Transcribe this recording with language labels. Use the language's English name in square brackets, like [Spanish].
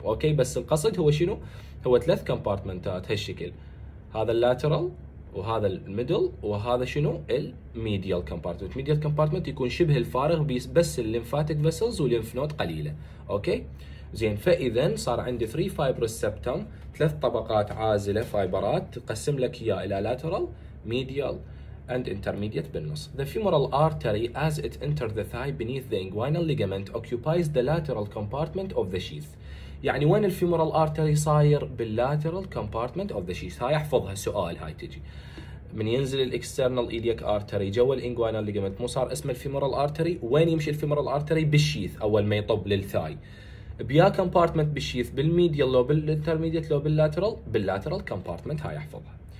[Arabic] اوكي، بس القصد هو شنو؟ هو ثلاث كومبارتمنتات هالشكل، هذا اللاترال وهذا الميدل وهذا شنو الميديال كومبارتمنت. ميديال كومبارتمنت يكون شبه الفارغ بس الليمفاتيك فيسلز والليمف نود قليله. اوكي زين، فاذا صار عندي 3 فايبرس سبتم، ثلاث طبقات عازله فايبرات تقسم لك اياها الى لاترال ميديال and intermediate بالنص. [English] The femoral artery as it enter the thigh beneath the inguinal ligament occupies the lateral compartment of the sheath. [Arabic] يعني وين الفيمورال artery صاير؟ باللاترال [English] compartment of the sheath. [Arabic] هاي احفظها سؤال، هاي تجي من ينزل الاكسترنال iliac artery جوا الانجوينال ليجمنت، مو صار اسمه الفيمورال artery. وين يمشي الفيمورال artery؟ بالشيث اول ما يطب للثاي. بيا compartment بالشيث، بالميديال لو بالانترميديت لو باللاترال، باللاترال compartment. هاي احفظها.